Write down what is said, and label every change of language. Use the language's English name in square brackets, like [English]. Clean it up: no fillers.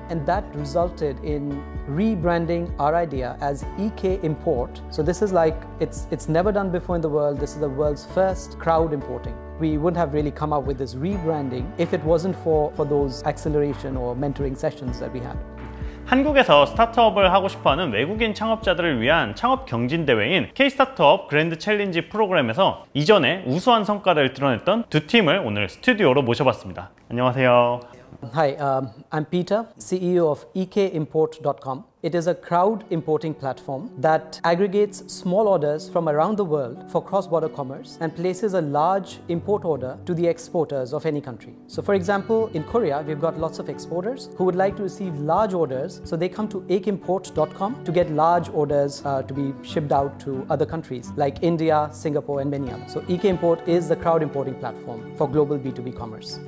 [English] And that resulted in rebranding our idea as EK Import. So this is like, it's never done before in the world. This is the world's first crowd importing. We wouldn't have really come up with this rebranding if it wasn't for those acceleration or mentoring sessions that we had. [Korean] 한국에서 스타트업을 하고 싶어하는 외국인 창업자들을 위한 창업 경진 대회인 K-스타트업 그랜드 챌린지 프로그램에서 이전에 우수한 성과를 드러냈던 두 팀을 오늘 스튜디오로 모셔봤습니다. 안녕하세요. [English] Hi, I'm Peter, CEO of ekimport.com. It is a crowd importing platform that aggregates small orders from around the world for cross-border commerce and places a large import order to the exporters of any country. So for example, in Korea, we've got lots of exporters who would like to receive large orders, so they come to ekimport.com to get large orders to be shipped out to other countries like India, Singapore, and many others. So ekimport is the crowd importing platform for global B2B commerce.